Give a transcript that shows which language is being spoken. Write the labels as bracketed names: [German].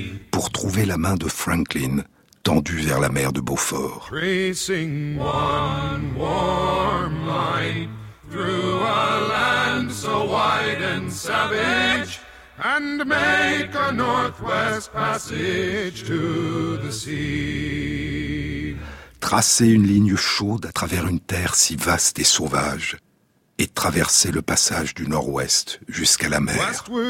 [French] Pour trouver la main de Franklin, tendue vers la mer de Beaufort. [English] Tracing one warm line through a land so wide and savage. And make a northwest passage to the sea. [French] Tracer une ligne chaude à travers une terre si vaste et sauvage, et traverser le passage du nord-ouest jusqu'à la mer.